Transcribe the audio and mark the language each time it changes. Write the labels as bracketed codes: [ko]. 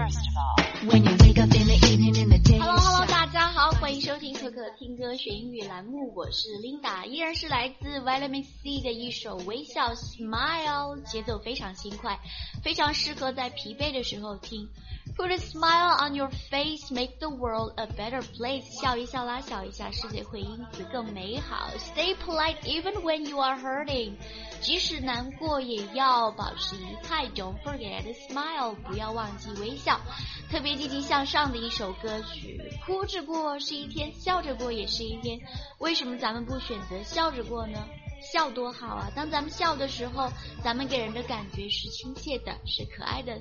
[zh] Hello，Hello，大家好，欢迎收听可可听歌学英语栏目，我是 Linda， 依然是来自 Vitamin C 的一首微笑 Smile， 节奏非常轻快，非常适合在疲惫的时候听。 [en] Put a smile on your face, make the world a better place. [zh] 笑一笑啦，笑一下，世界会因此更美好。 [en] Stay polite even when you are hurting. [zh] 即使难过也要保持仪态。 [en] Don't forget a smile. [zh] 不要忘记微笑。特别积极向上的一首歌曲。哭着过是一天，笑着过也是一天。为什么咱们不选择笑着过呢？笑多好啊，当咱们笑的时候，咱们给人的感觉是亲切的，是可爱的。